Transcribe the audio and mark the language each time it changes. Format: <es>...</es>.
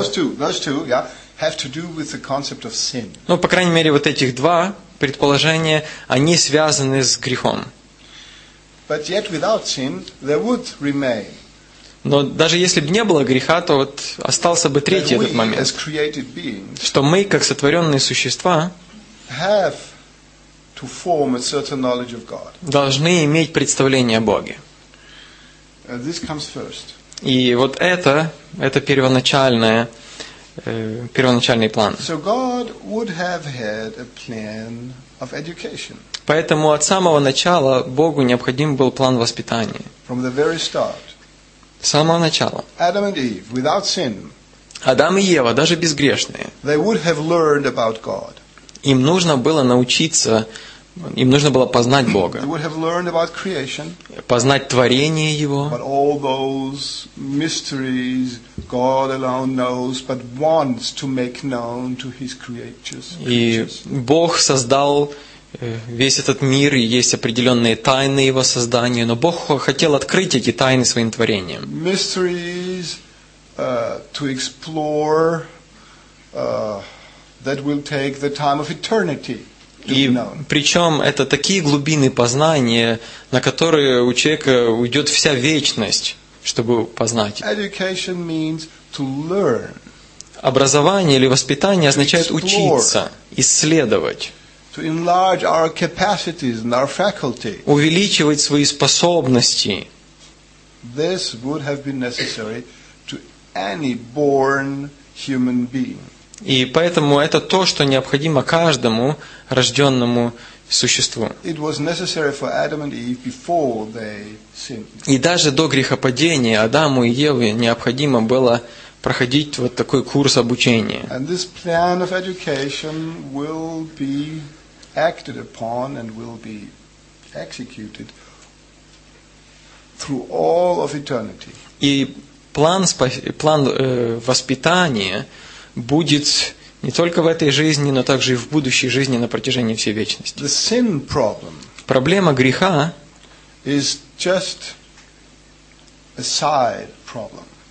<en>Those two, yeah, have to do with the concept of sin.</en> <ru>Ну, по крайней мере, вот этих два предположения, они связаны с грехом.</ru> <en>But yet without sin, there would remain.</en> <ru>Но даже если бы не было греха, то вот остался бы третий этот момент.</ru> <en>As created beings,</en> <ru>что мы, как сотворенные существа,</ru> <en>have to form a certain knowledge of God.</en> <ru>Должны иметь представление о Боге.</ru> <en>This comes first.</en> <ru>И вот это первоначальный план.</ru> <en>So God would have had a plan of education.</en> <ru>Поэтому от самого начала Богу необходим был план воспитания.</ru> <en>From the very start.</en> <ru>С самого начала.</ru> <en>Adam and Eve, without sin.</en> <ru>Адам и Ева, даже безгрешные.</ru> <en>They would have learned about God.</en> <ru>Им нужно было научиться, им нужно было познать Бога.</ru> <en>They would have learned about creation.</en> <ru>Познать творение Его.</ru> <en>But all those mysteries God alone knows, but wants to make known to His creatures.</en> <ru>И Бог создал весь этот мир, и есть определенные тайны его создания, но Бог хотел открыть эти тайны своим творением.</ru> <en>Mysteries to explore that will take the time of eternity to be known.</en> <ru>И причем это такие глубины познания, на которые у человека уйдет вся вечность, чтобы познать.</ru> <en>Education means to learn.</en> <ru>Образование или воспитание означает учиться, исследовать.</ru> <en>To enlarge our capacities and our faculty.</en> <ru>Увеличивать свои способности.</ru> <en>This would have been necessary to any born human being.</en> <ru>И поэтому это то, что необходимо каждому рожденному существу.</ru> <en>It was necessary for Adam and Eve before they sinned.</en> <ru>И даже до грехопадения Адаму и Еве необходимо было проходить вот такой курс обучения.</ru> <en>And this plan of education will be acted upon and will be executed through all of eternity.</en> <ru>И план воспитания будет не только в этой жизни, но также и в будущей жизни на протяжении всей вечности.</ru> <en>The sin problem.</en> <ru>Проблема греха</ru> <en>is just a side problem.</en>